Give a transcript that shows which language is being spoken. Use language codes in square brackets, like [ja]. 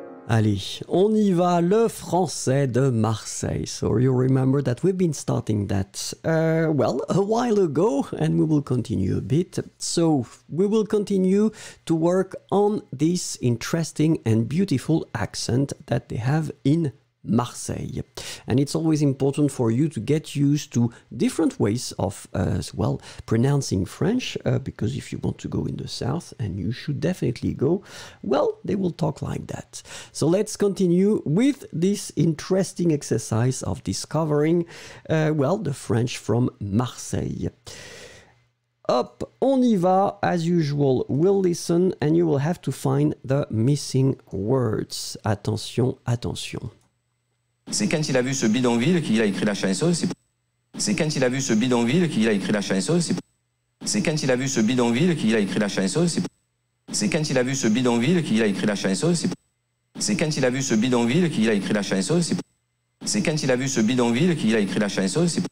[fr] Allez, on y va, le français de Marseille. [en] So you remember that we've been starting that, a while ago, and we will continue a bit. So we will continue to work on this interesting and beautiful accent that they have in Marseille. And it's always important for you to get used to different ways of, pronouncing French, because if you want to go in the south, and you should definitely go, well, they will talk like that. So let's continue with this interesting exercise of discovering, the French from Marseille. Up, [fr] on y va, [en] as usual, we'll listen, and you will have to find the missing words. [fr] Attention, attention. C'est quand il a vu ce bidonville qu'il a écrit la chanson. C'est quand il a vu ce bidonville qu'il a écrit la chanson. C'est quand il a vu ce bidonville qu'il a écrit la chanson. C'est quand il a vu ce bidonville qu'il a écrit la chanson. C'est quand il a vu ce bidonville qu'il a écrit la chanson. C'est quand il a vu ce bidonville qu'il a écrit la chanson.